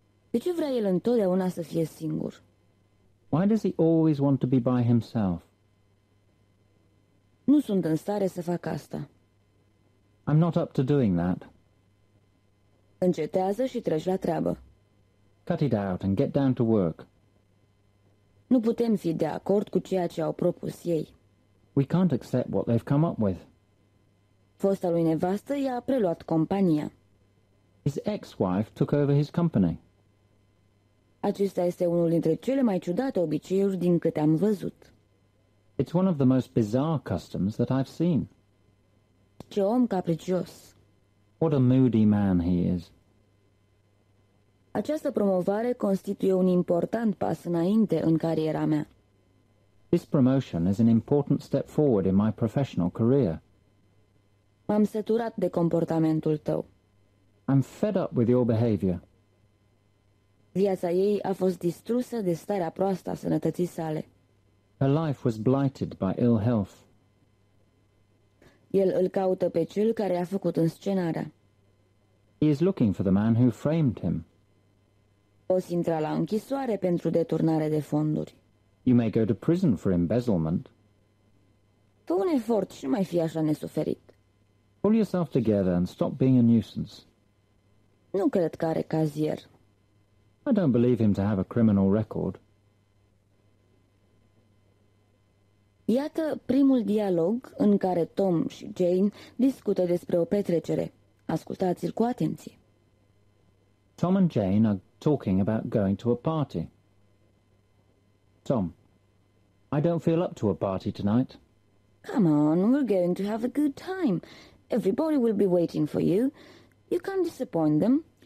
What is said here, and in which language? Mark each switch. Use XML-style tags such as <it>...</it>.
<ro>De ce vrea el întotdeauna să fie singur?</ro> <en>Why does he always want to be by himself?</en> <ro>Nu sunt în stare să fac asta.</ro> <en>I'm not up to doing that.</en> <ro>Încetează și treci la treabă.</ro> <en>Cut it out and get down to work.</en> <ro>Nu putem fi de acord cu ceea ce au propus ei.</ro> <en>We can't accept what they've come up with.</en> <ro>Fosta lui nevastă i-a preluat compania.</ro> <en>His ex-wife took over his company.</en> <ro>Acesta este unul dintre cele mai ciudate obiceiuri din câte am văzut.</ro> <en>It's one of the most bizarre customs that I've seen.</en> <ro>Ce om capricios!</ro> <en>What a moody man he is!</en> <ro>Această promovare constituie un important pas înainte în cariera mea.</ro> <en>This promotion is an important step forward in my professional career.</en> <ro>M-am săturat de comportamentul tău.</ro> <en>I'm fed up with your behavior.</en> <ro>Viața ei a fost distrusă de starea proastă a sănătății sale.</ro> <en>Her life was blighted by ill health.</en> <ro>El îl caută pe cel care a făcut înscenarea.</ro> <en>He is looking for the man who framed him.</en> <ro>Poți intra la închisoare pentru deturnare de fonduri.</ro> <en>You may go to prison for embezzlement.</en> <ro>Fă un efort și nu mai fi așa nesuferit.</ro> <en>Pull yourself together and stop being a nuisance.</en> <ro>Nu cred că are cazier.</ro> <en>I don't believe him to have a criminal record.</en> <ro>Iată primul dialog în care Tom și Jane discută despre o petrecere. Ascultați-l cu atenție.</ro> <en>Tom and Jane are talking about going to a party. Tom, I don't feel up to a party tonight. Come on, we're going to have a good time. Everybody will be waiting for you. You can't disappoint them.</en>